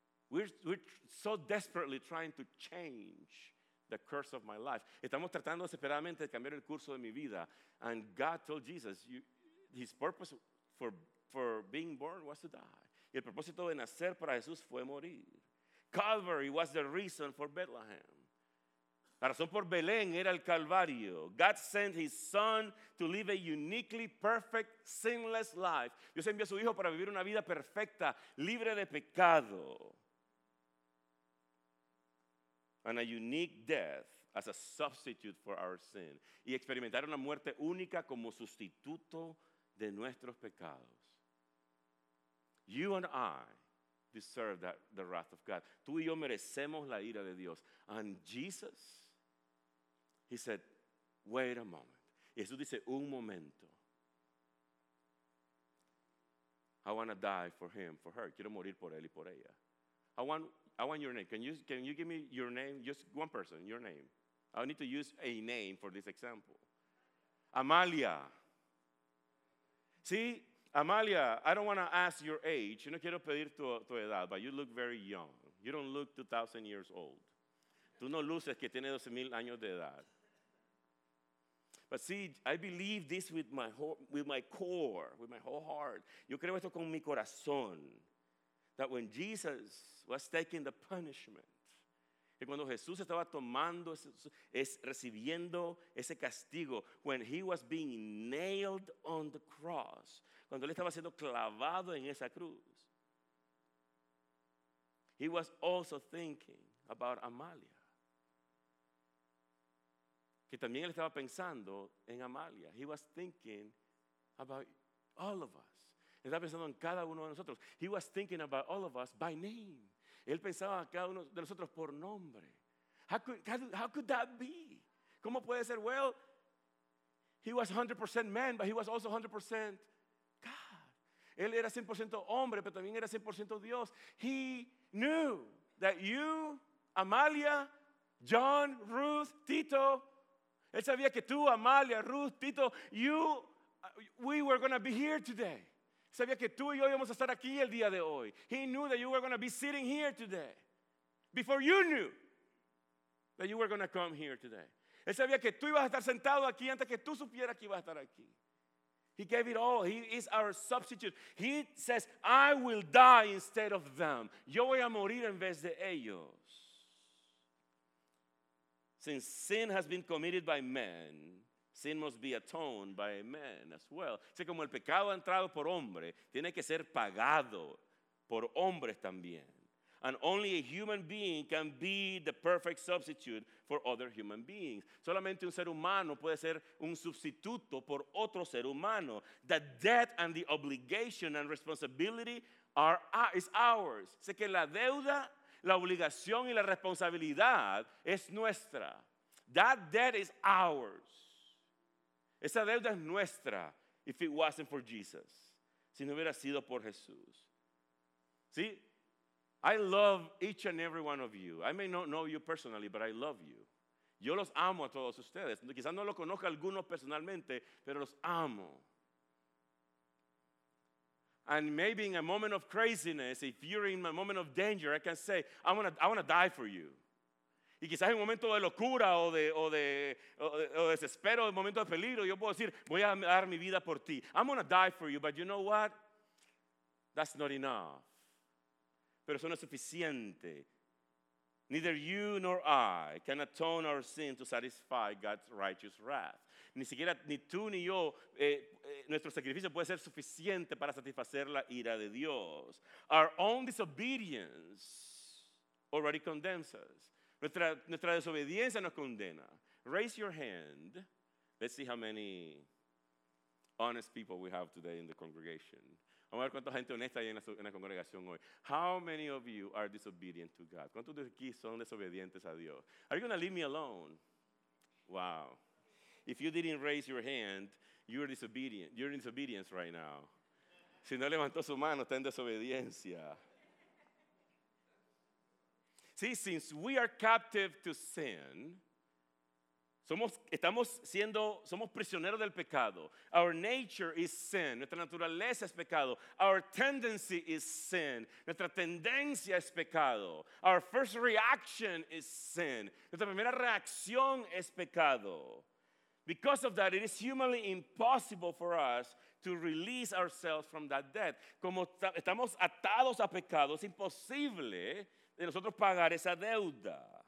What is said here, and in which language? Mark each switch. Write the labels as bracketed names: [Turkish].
[English] We're so desperately trying to change the curse of my life. [Spanish] Estamos tratando desesperadamente de cambiar el curso de mi vida. [English] And God told Jesus, his purpose for being born was to die. [Spanish] Y el propósito de nacer para Jesús fue morir. [English] Calvary was the reason for Bethlehem. [Spanish] La razón por Belén era el Calvario. [English] God sent his son to live a uniquely perfect, sinless life. [Spanish] Dios envió a su hijo para vivir una vida perfecta, libre de pecado. [English] And a unique death as a substitute for our sin. [Spanish] Y experimentar una muerte única como sustituto de nuestros pecados. [English] You and I deserve that, the wrath of God. [Spanish] Tú y yo merecemos la ira de Dios. [English] And Jesus, he said, wait a moment. [Spanish] Jesús dice, un momento. [English] I want to die for him, for her. [Spanish] Quiero morir por él y por ella. [English] I want your name. Can you give me your name? Just one person, your name. I need to use a name for this example. Amalia. See? Amalia, I don't want to ask your age. [Spanish] Yo no quiero pedir tu edad, [English] but you look very young. You don't look 2,000 years old. [Spanish] Tú no luces que tienes 12,000 años de edad. [English] But see, I believe this with my whole heart. [Spanish] Yo creo esto con mi corazón. [English] That when Jesus was taking the punishment, [Spanish] que cuando Jesús estaba tomando, recibiendo ese castigo, [English] when he was being nailed on the cross, [Spanish] cuando él estaba siendo clavado en esa cruz, [English] he was also thinking about Amalia. [Spanish] Que también él estaba pensando en Amalia. [English] He was thinking about all of us. [Spanish] Él estaba pensando en cada uno de nosotros. [English] He was thinking about all of us by name. [Spanish] Él pensaba a cada uno de nosotros por nombre. [English] How could that be? [Spanish] ¿Cómo puede ser? [English] Well, he was 100% man, but he was also 100% God. [Spanish] Él era 100% hombre, pero también era 100% Dios. [English] He knew that you, Amalia, John, Ruth, Tito, [Spanish] él sabía que tú, Amalia, Ruth, Tito, [English] you, we were going to be here today. [Spanish] Sabía que tú y yo íbamos a estar aquí el día de hoy. [English] He knew that you were going to be sitting here today before you knew that you were going to come here today. [Spanish] Él sabía que tú ibas a estar sentado aquí antes que tú supieras que ibas a estar aquí. [English] He gave it all. He is our substitute. He says, I will die instead of them. [Spanish] Yo voy a morir en vez de ellos. [English] Since sin has been committed by men, sin must be atoned by men as well. [Spanish] Así como el pecado ha entrado por hombre, tiene que ser pagado por hombres también. [English] And only a human being can be the perfect substitute for other human beings. [Spanish] Solamente un ser humano puede ser un sustituto por otro ser humano. [English] The debt and the obligation and responsibility is ours. [Spanish] Sé que la deuda, la obligación y la responsabilidad es nuestra. [English] That debt is ours. [Spanish] Esa deuda es nuestra. [English] If it wasn't for Jesus. [Spanish] Si no hubiera sido por Jesús. ¿Sí? [English] I love each and every one of you. I may not know you personally, but I love you. [Spanish] Yo los amo a todos ustedes. Quizás no lo conozca alguno personalmente, pero los amo. [English] And maybe in a moment of craziness, if you're in a moment of danger, I can say, I want to die for you. [Spanish] Y quizás en un momento de locura o de desespero, en un momento de peligro, yo puedo decir, voy a dar mi vida por ti. [English] I'm going to die for you, but you know what? That's not enough. [Spanish] Pero eso no es suficiente. [English] Neither you nor I can atone our sin to satisfy God's righteous wrath. [Spanish] Ni tú ni yo, nuestro sacrificio puede ser suficiente para satisfacer la ira de Dios. [English] Our own disobedience already condemns us. [Spanish] Nuestra desobediencia nos condena. [English] Raise your hand. Let's see how many honest people we have today in the congregation. [Spanish] Vamos a ver cuánta gente honesta hay en la congregación hoy. [English] How many of you are disobedient to God? [Spanish] ¿Cuántos de aquí son desobedientes a Dios? [English] Are you going to leave me alone? Wow. If you didn't raise your hand, you're disobedient. You're in disobedience right now. [Spanish] Si no levantó su mano, está en desobediencia. [English] See, since we are captive to sin, [Spanish] somos prisioneros del pecado. [English] Our nature is sin. [Spanish] Nuestra naturaleza es pecado. [English] Our tendency is sin. [Spanish] Nuestra tendencia es pecado. [English] Our first reaction is sin. [Spanish] Nuestra primera reacción es pecado. [English] Because of that, it is humanly impossible for us to release ourselves from that debt. [Spanish] Como estamos atados a pecado, es imposible de nosotros pagar esa deuda.